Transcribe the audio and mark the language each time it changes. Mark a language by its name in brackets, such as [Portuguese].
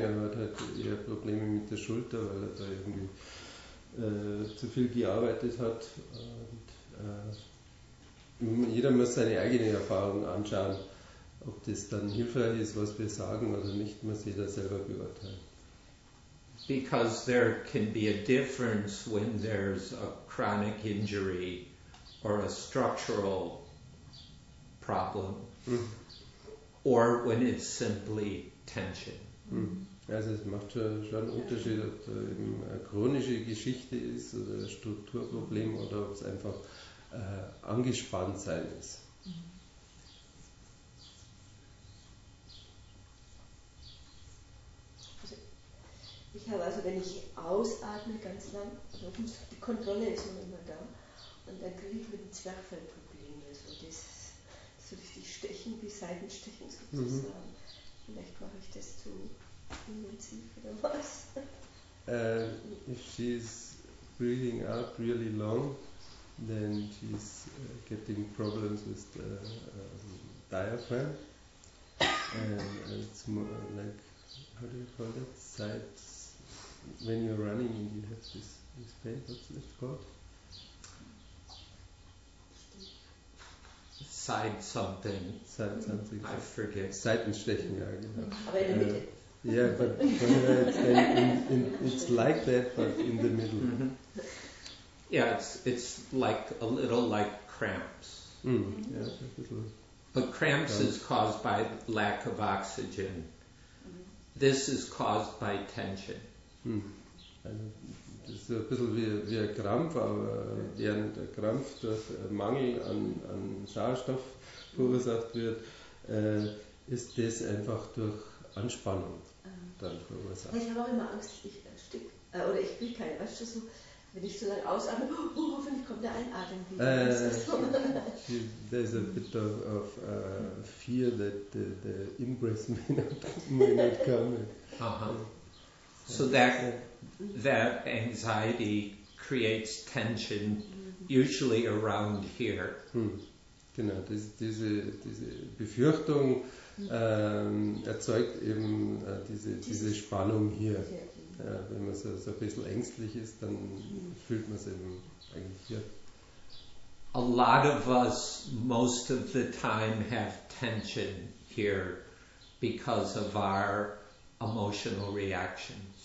[German] Er hat halt eher Probleme mit der Schulter, weil er da irgendwie zu viel gearbeitet hat. Und, jeder muss seine eigene Erfahrung anschauen. Ob das dann hilfreich ist, was wir sagen oder nicht, muss jeder selber beurteilen. [English] Because there can be a difference when there's a chronic injury or a structural problem or when it's simply tension. [German] Also es macht schon einen Unterschied, ob da eben eine chronische Geschichte ist oder ein Strukturproblem oder ob es einfach angespannt sein ist. Ich habe also, wenn ich ausatme ganz lang, die Kontrolle ist schon immer da, und dann kriege ich mit dem Zwerchfell Probleme, so das so richtig stechen, wie Seitenstechen sozusagen. Vielleicht mache ich das zu intensiv oder was? [English] If she's breathing up really long, then she's getting problems with the diaphragm. And it's more like, how do you call that? When you're running and you have this pain, what's it called? Side something. Side something. I forget. [German] Seitenstechen, ja, genau. Aber in der Mitte. [English] Yeah, but it's like that, but in the middle. Mm-hmm. Yeah, it's like a little like cramps. Mm. Yeah. But cramps is caused by lack of oxygen. This is caused by tension. Mm. [German] Das ist ein bisschen wie ein Krampf, aber während der Krampf durch Mangel an Sauerstoff verursacht wird, ist das einfach durch Anspannung dann verursacht. Ich habe auch immer Angst, ich ersticke, oder ich kriege keine, weißt du, so, wenn ich so lange ausatme, hoffentlich kommt der Einatmen wieder. [English] There is a bit of fear that the in-breath may not come. Aha. So that anxiety creates tension, usually around here. Hm. [German] Genau, diese Befürchtung erzeugt eben diese Spannung hier. Ja, wenn man so ein bisschen ängstlich ist, dann fühlt man es eben eigentlich hier. [English] A lot of us, most of the time, have tension here because of our emotional reaction.